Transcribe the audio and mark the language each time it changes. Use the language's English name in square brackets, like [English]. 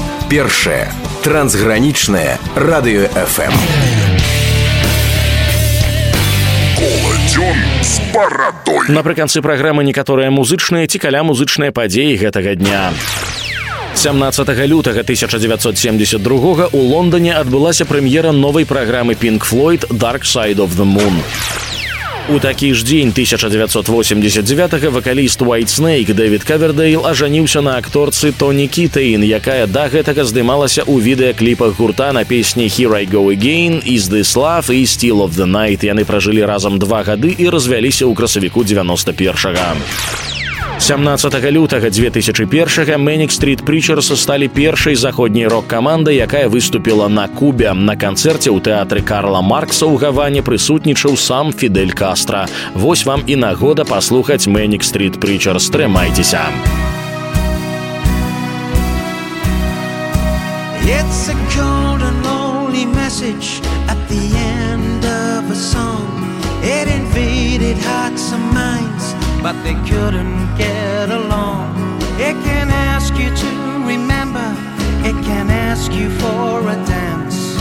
[Belarusian] Першае трансгранічнае радыё FM. Напрыканцы праграмы некаторыя музычныя ці каля музычныя падзеі гэтага дня. 17 лютага 1972 у Лондоне адбылася прэм'ера новай праграмы Pink Floyd Dark Side of the Moon. У такі ж дзень 1989-га вакаліст Whitesnake Дэвід Кавердейл ажаніўся на акторцы Тоні Кітейн, якая да гэтага здымалася ў відэакліпах гурта на песні «Here I Go Again», «Is This Love» і «Still of the Night». Яны пражылі разам 2 гады і развяліся ў красавіку 91-га. 17 лютага 2001-га Manic Street Preachers сталі першай заходняй рок-камандай, якая выступіла на Кубе. На канцэрце ў тэатры Карла Маркса ў Гаване прысутнічаў сам Фідэль Кастра. Вось вам і нагода паслухаць Manic Street Preachers. Трымайцеся! [English] It's a cold and lonely message at the end of a song. It invaded hearts and minds, but they couldn't get along. It can ask you to remember, it can ask you for a dance.